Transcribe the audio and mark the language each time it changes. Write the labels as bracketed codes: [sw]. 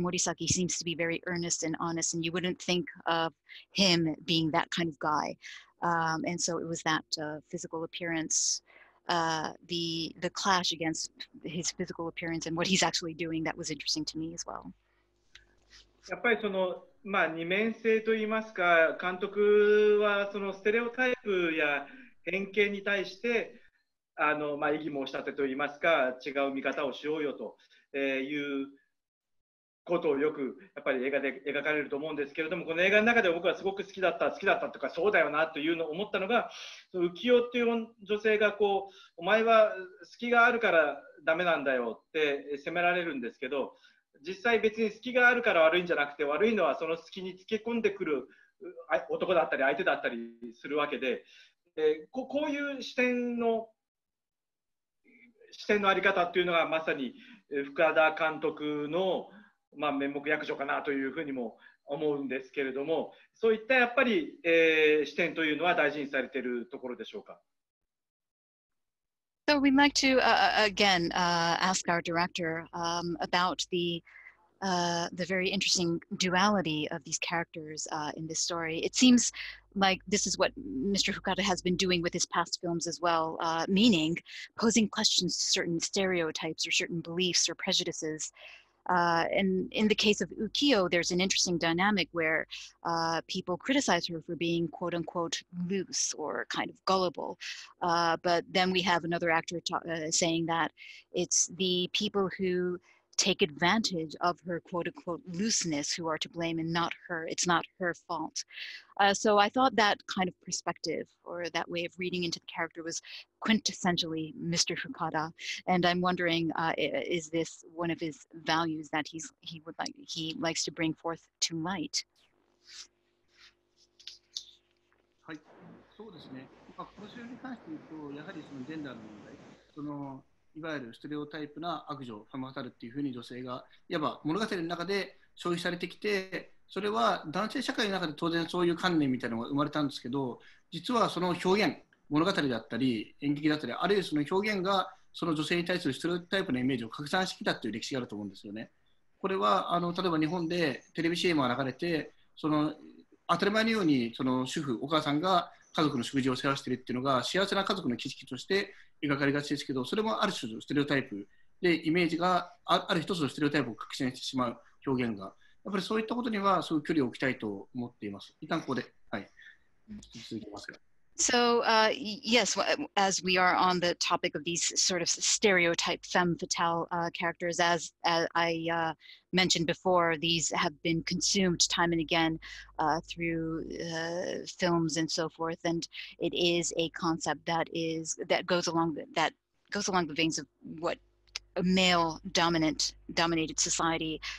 [en] Morisaki seems to be very earnest and honest, and you wouldn't think of him being that kind of guy. And so it was that physical appearance, the clash against his physical appearance and what he's actually doing that was interesting to me as well. [ja] やっぱりその、まあ、二面性といいますか、監督はそのステレオタイプや偏見に対して、まあ、異議申し立てといいますか、違う見方をしようよという。ことをよくやっぱり映画で描かれると思うんですけれども、この映画の中で僕はすごく好きだったとか、そうだよなというのを思ったのが、浮世っていう女性がこう、お前は好きがあるからダメなんだよって責められるんですけど、実際別に好きがあるから悪いんじゃなくて、悪いのはその好きにつけ込んでくる男だったり相手だったりするわけで、こういう視点のあり方っていうのがまさに深田監督のまあ、面目役所かなというふうにも思うんですけれども、そういったやっぱり、視点というのは大事にされているところでしょうか。 [en] So we'd like to again ask our director about the very interesting duality of these characters in this story. It seems like this is what Mr. Fukada has been doing with his past films as well, meaning posing questions to certain stereotypes or certain beliefs or prejudices. And in the case of Ukiyo, there's an interesting dynamic where people criticize her for being quote-unquote loose or kind of gullible. But then we have another actor saying that it's the people who take advantage of her quote-unquote looseness who are to blame and not her. It's not her fault. So I thought that kind of perspective or that way of reading into the character was quintessentially Mr. Fukada. And I'm wondering, is this one of his values that he likes to bring forth to light? [ja] はい、そうですね。この仕事に関して言うと、やはりそのジェンダーの問題、そのいわゆるステレオタイプな悪女、ファムファタルっていうふうに女性が、いわば物語の中で消費されてきて、それは男性社会の中で当然そういう観念みたいなのが生まれたんですけど、実はその表現、物語だったり演劇だったり、あるいはその表現がその女性に対するステレオタイプのイメージを拡散してきたっていう歴史があると思うんですよね。これは例えば日本でテレビ CM が流れて、その当たり前のようにその主婦、お母さんが家族の食事を世話しているっていうのが幸せな家族の景色として描かれがちですけど、それもある種のステレオタイプで、イメージがある一つのステレオタイプを確信してしまう表現が、やっぱりそういったことにはすごい距離を置きたいと思っています。一旦ここで、はい、続きますが。 [en] So, yes, as we are on the topic of these sort of stereotype femme fatale characters, as I mentioned before, these have been consumed time and again through films and so forth, and it is a concept that goes along the veins of what a male dominated society